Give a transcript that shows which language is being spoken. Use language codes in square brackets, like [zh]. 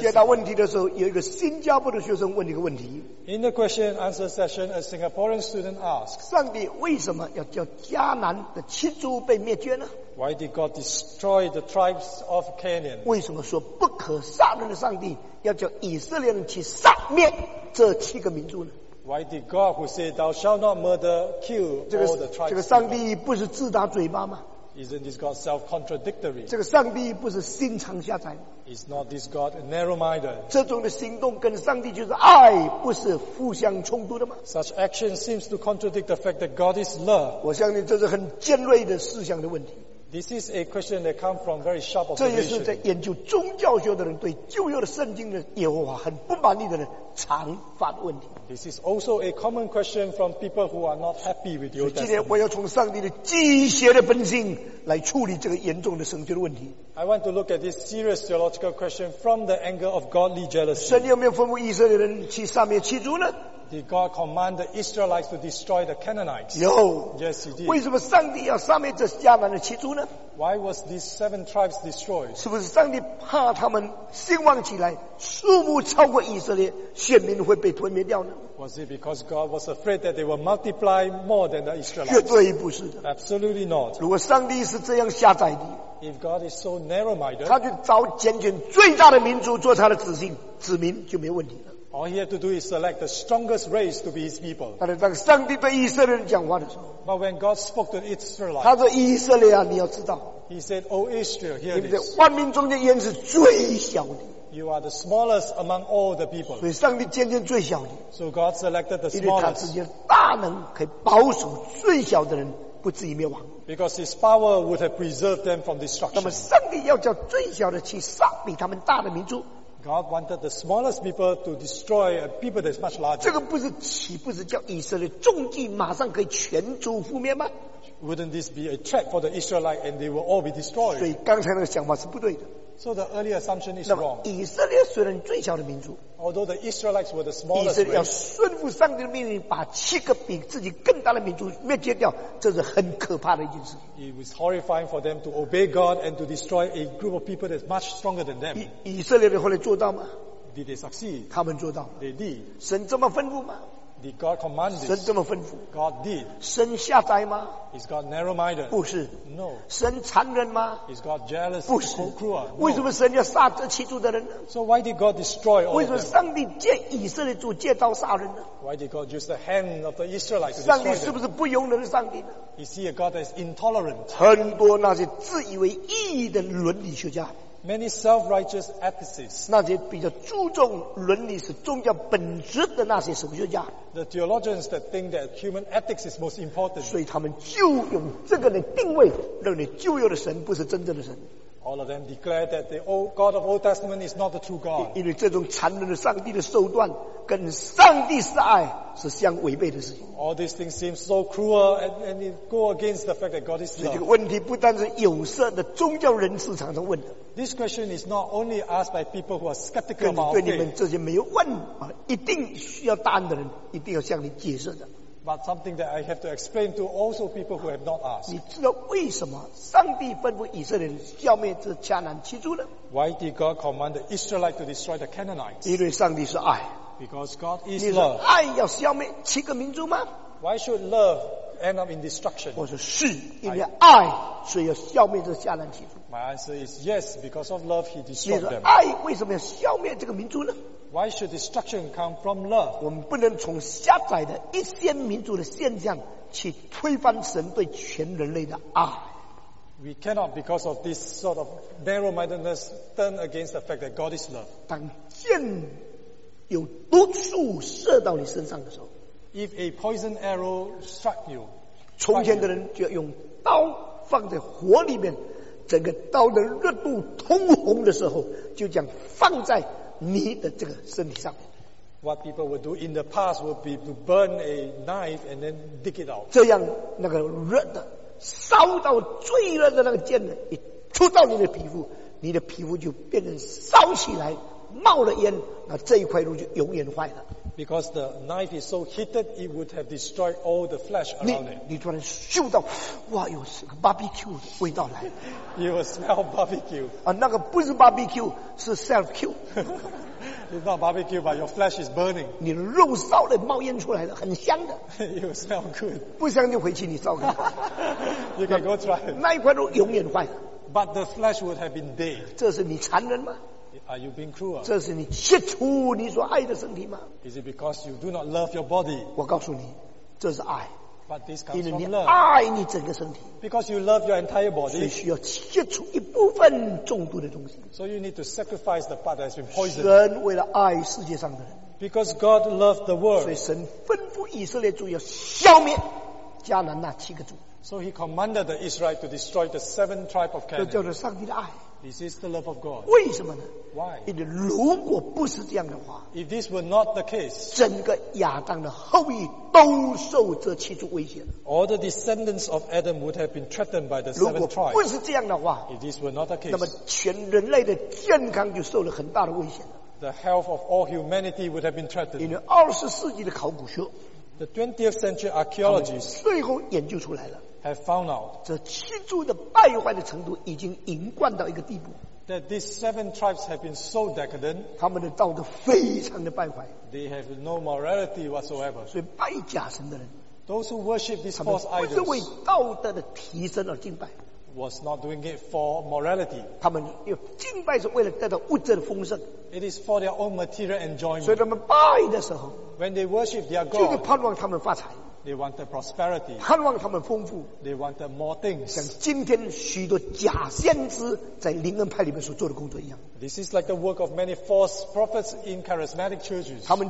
[zh] 接到问题的时候，有一个新加坡的学生问一个问题。 [en] In the question and answer session, a Singaporean student asked. [zh] 上帝为什么要叫迦南的七族被灭绝呢？ [en] Why did God destroy the tribes of Canaan? [zh] 为什么说不可杀人的上帝要叫以色列人去杀灭这七个民族呢？ [en] Why did God who said thou shalt not murder kill all the tribes? [zh] 这个上帝不是自打嘴巴吗？ [en] Isn't this God self-contradictory? [zh] 这个上帝不是心肠狭窄。 [en] Is not this God narrow-minded? [zh] 这种的行动跟上帝就是爱，不是互相冲突的吗？ [en] Such action seems to contradict the fact that God is love. [zh] 我相信这是很尖锐的思想的问题。 [en] This is a question that comes from very sharp observation. [zh] 这也是在研究宗教学的人对旧约的圣经的耶和华很不满意的人常发的问题。 [en] This is also a common question from people who are not happy with your destiny. [zh] 今天我要从上帝的基学的本性来处理这个严重的圣经的问题。 [en] I want to look at this serious theological question from the angle of godly jealousy. [zh] 神有没有吩咐以色列人去杀灭七族呢？ [en] Did God command the Israelites to destroy the Canaanites? Yo, yes, He did. [zh] 为什么上帝要杀灭这迦南的七族呢？ [en] Why was these seven tribes destroyed? [zh] 是不是上帝怕他们兴旺起来，数目超过以色列，选民会被吞灭掉呢？ [en] Was it because God was afraid that they will multiply more than the Israelites? [zh] 绝对不是的。 [en] Absolutely not. [zh] 如果上帝是这样狭窄的， [en] If God is so narrow-minded, [zh] 他就找拣选最大的民族做他的子民就没问题了。 [en] All he had to do is select the strongest race to be his people. [zh] 但是当上帝对以色列人讲话的时候， [en] But when God spoke to Israel, [zh] 他说以色列啊，你要知道， [en] He said, O Israel, hear this. [zh] 你们在万民中间焉是最小的。 [en] You are the smallest among all the people. [zh] 所以上帝拣选最小的。 [en] So God selected the smallest. [zh] 因为他自己大能可以保守最小的人不至于灭亡。 [en] Because his power would have preserved them from destruction. [zh] 那么上帝要叫最小的去杀比他们大的民族。 [en] God wanted the smallest people to destroy a people that's much larger. [zh] 这个不是岂不是叫以色列中计马上可以全族覆灭吗？ [en] Wouldn't this be a threat for the Israelites and they will all be destroyed? [zh] 所以刚才那个想法是不对的。 [en] So the earlier assumption is wrong. [zh] 以色列虽然最小的民族， [en] although the Israelites were the smallest, [zh] 以色列要顺服上帝的命令，把七个比自己更大的民族灭绝掉，这是很可怕的一件事。 [en] It was horrifying for them to obey God and to destroy a group of people that's much stronger than them. [zh] 以色列人后来做到吗？ [en] Did they succeed? [zh] 他们做到。 [en] They did. [zh] 神这么吩咐吗？ [en] Did God command this? [zh] 神这么吩咐。 [en] God did. [zh] 神狭窄吗？ [en] Is God narrow-minded? [zh] 不是。 [en] No. [zh] 神残忍吗？ [en] Is God jealous? [zh] 不是。 [en] Cruel? No. [zh] 为什么神要杀这七族的人呢？ [en] So why did God destroy all of them? [zh] 为什么上帝借以色列族借刀杀人呢？ [en] Why did God use the hand of the Israelites to destroy them? [zh] 上帝是不是不容忍上帝呢？ [en] Is he a God that is intolerant? [zh] 很多那些自以为义的伦理学家。 [en] Many self-righteous ethicists, [zh] 那些比较注重伦理是宗教本质的那些神学家， [en] the theologians that think that human ethics is most important, [zh] 所以他们就用这个来定位，认为旧约的神不是真正的神。 [en] All of them declare that the old God of Old Testament is not the true God. [zh] 因为这种残忍的上帝的手段跟上帝是爱是相违背的事情。 [en] All these things seem so cruel and it go against the fact that God is love. [zh] 所以这个问题不单是有色的宗教人士常常问的。 [en] This question is not only asked by people who are skeptical about faith. [zh] 对你们这些没有问啊，一定需要答案的人，一定要向你解释的。 [en] But something that I have to explain to also people who have not asked. [zh] 你知道为什么上帝吩咐以色列人消灭这迦南七族呢？ [en] Why did God command the Israelites to destroy the Canaanites? [zh] 因为上帝是爱。 [en] Because God is love. [zh] 你说爱要消灭七个民族吗？ [en] Why should love end up in destruction? [zh] 我说是，因为爱，所以要消灭这迦南七族。 [en] My answer is yes, because of love, He destroyed them. [zh] 你说爱为什么要消灭这个民族呢？ [en] Why should destruction come from love? [zh] 我们不能从狭窄的一些民族的现象去推翻神对全人类的爱。 [en] We cannot because of this sort of narrow-mindedness turn against the fact that God is love. [zh] 当箭有毒素射到你身上的时候， [en] If a poison arrow struck you, [zh] 从前的人就要用刀放在火里面，整个刀的热度通红的时候，就这样放在你的这个身体上。 [en] What people would do in the past would be to burn a knife and then dig it out. [zh] 这样那个热的烧到最热的那个箭一出到你的皮肤，你的皮肤就变成烧起来冒了烟，那这一块肉就永远坏了。 [en] Because the knife is so heated it would have destroyed all the flesh around it. [zh] 你突然嗅到哇，有这个 barbecue 的味道来。 [en] You will smell barbecue. [zh] 啊，那个不是 barbecue 是 self-cue. [en] It's not barbecue but your flesh is burning. [zh] 你肉烧了冒烟出来了，很香的。 [en] You will smell good. [zh] 不香就回去你烧看。 [en] You can go try it. [zh] 那一块肉永远坏了。 [en] But the flesh would have been dead. [zh] 这是你残忍吗？ [en] Are you being cruel? [zh] 这是你切除你所爱的身体吗？ [en] Is it because you do not love your body? [zh] 我告诉你，这是爱。 [en] But this comes from love. [zh] 因为你爱你整个身体, [en] because you love your entire body. [zh] 所以需要切除一部分中毒的东西, [en] so you need to sacrifice the part that has been poisoned. [zh] 神为了爱世界上的人, [en] because God loved the world. [zh] 所以神吩咐以色列族要消灭迦南那七个族, [en] so he commanded the Israelites to destroy the seven tribe of Canaan. [zh] 这叫做上帝的爱, [en] this is the love of God. [zh] 为什么呢? [en] Why? [zh] 因为如果不是这样的话, [en] if this were not the case, [zh] 整个亚当的后裔都受这七族威胁了, [en] all the descendants of Adam would have been threatened by the seven tribes. [zh] 如果不是这样的话, [en] if this were not the case, [zh] 那么全人类的健康就受了很大的威胁了, [en] the health of all humanity would have been threatened. [zh] 因为20世纪的考古学, [en] the 20th century archaeologists, [zh] 最后研究出来了, [en] have found out, [zh] 这七族的败坏的程度已经淫惯到一个地步, [en] that these seven tribes have been so decadent, [zh] 他们的道德非常的败坏, [en] they have no morality whatsoever. [zh] 所以拜假神的人, [en] those who worship these false idols, [zh] 他们不是为道德的提升而敬拜, [en] was not doing it for morality. [zh] 他们敬拜是为了得到物质的丰盛, [en] it is for their own material enjoyment. [zh] 所以他们拜的时候, [en] when they worship their God, [zh] 就盼望他们发财, [en] they want the prosperity. [zh] 盼望他们丰富, [en] they want the more things. [zh] 像今天许多假先知在灵恩派里面所做的工作一样, [en] this is like the work of many false prophets in charismatic churches.